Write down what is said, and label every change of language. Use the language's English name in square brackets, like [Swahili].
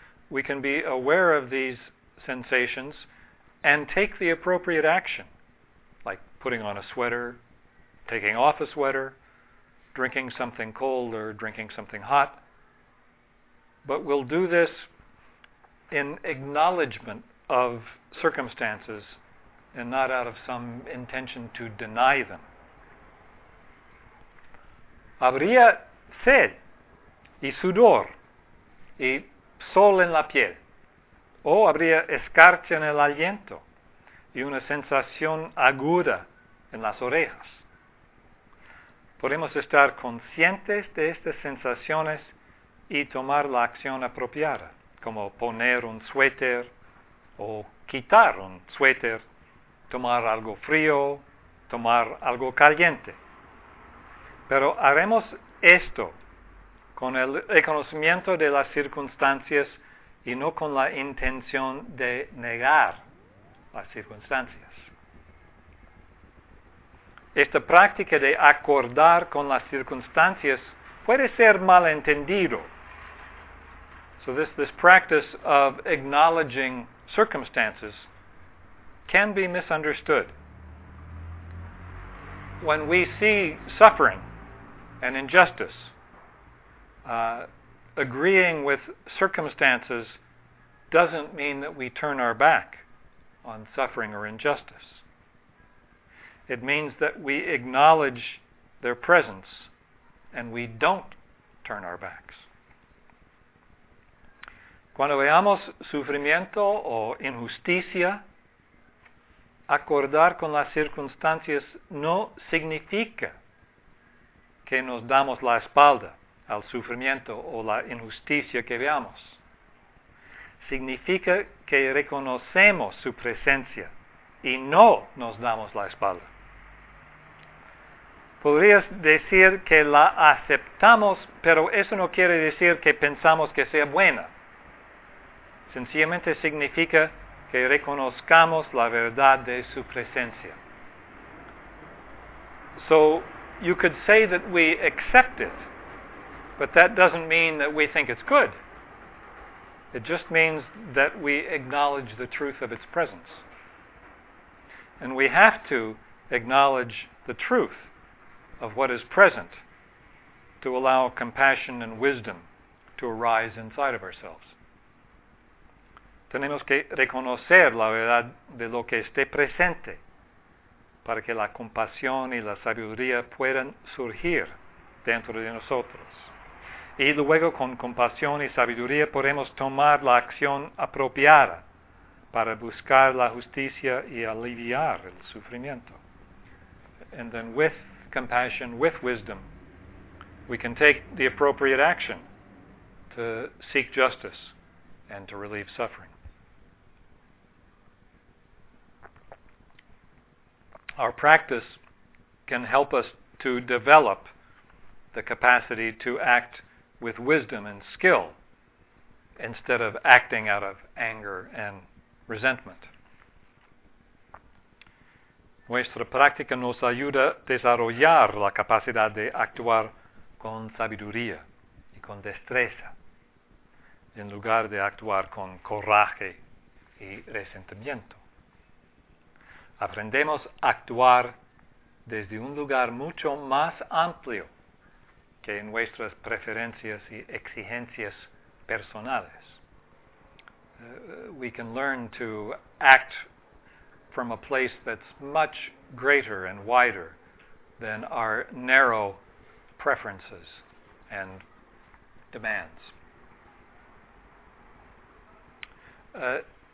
[English] We can be aware of these sensations and take the appropriate action, like putting on a sweater, taking off a sweater, drinking something cold or drinking something hot. But we'll do this in acknowledgement of circumstances and not out of some intention to deny them. [Spanish] Habría sed y sudor y sol en la piel. O habría escarcha en el aliento y una sensación aguda en las orejas. Podemos estar conscientes de estas sensaciones y tomar la acción apropiada, como poner un suéter o quitar un suéter, tomar algo frío, tomar algo caliente. Pero haremos esto con el reconocimiento de las circunstancias y no con la intención de negar las circunstancias. Esta práctica de acordar con las circunstancias puede ser malentendido. [English] So this practice of acknowledging circumstances can be misunderstood. When we see suffering and injustice, agreeing with circumstances doesn't mean that we turn our back on suffering or injustice. It means that we acknowledge their presence and we don't turn our backs. [Spanish] Cuando veamos sufrimiento o injusticia, acordar con las circunstancias no significa que nos damos la espalda al sufrimiento o la injusticia que veamos. Significa que reconocemos su presencia y no nos damos la espalda. Podrías decir que la aceptamos, pero eso no quiere decir que pensamos que sea buena. Sencillamente significa que reconozcamos la verdad de su presencia. [English] So, you could say that we accept it, but that doesn't mean that we think it's good. It just means that we acknowledge the truth of its presence. And we have to acknowledge the truth of what is present to allow compassion and wisdom to arise inside of ourselves. [Spanish] Tenemos que reconocer la verdad de lo que esté presente para que la compasión y la sabiduría puedan surgir dentro de nosotros. Y luego con compasión y sabiduría podemos tomar la acción apropiada para buscar la justicia y aliviar el sufrimiento. [English] And then with compassion, with wisdom, we can take the appropriate action to seek justice and to relieve suffering. Our practice can help us to develop the capacity to act with wisdom and skill instead of acting out of anger and resentment. [Spanish] Nuestra práctica nos ayuda a desarrollar la capacidad de actuar con sabiduría y con destreza, en lugar de actuar con coraje y resentimiento. Aprendemos a actuar desde un lugar mucho más amplio que nuestras preferencias y exigencias personales. [English] We can learn to act from a place that's much greater and wider than our narrow preferences and demands.